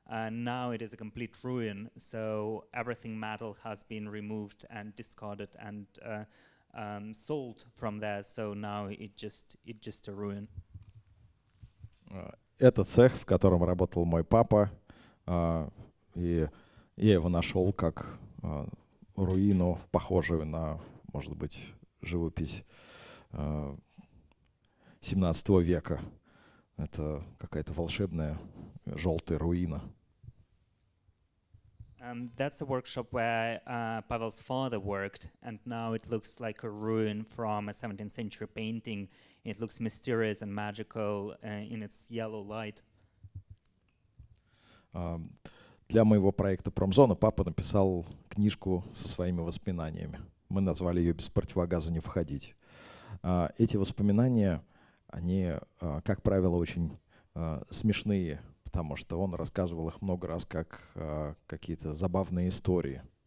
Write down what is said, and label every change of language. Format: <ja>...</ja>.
<en>Now it is a complete ruin, so everything metal has been removed and discarded and sold from there, so now it just a ruin.</en> <ru>Это цех, в котором работал мой папа, и я его нашел как руину, похожую на, может быть, живопись 17 века. Это какая-то волшебная желтая руина.</ru> <en>That's a workshop where Pavel's father worked, and now it looks like a ruin from a 17th century painting. It looks mysterious and magical in its yellow light.</en> <ru>Для моего проекта «Промзона» папа написал книжку со своими воспоминаниями. Мы назвали ее «Без противогаза не входить». Эти воспоминания, они, как правило, очень смешные, потому что он рассказывал их много раз как какие-то забавные истории.</ru>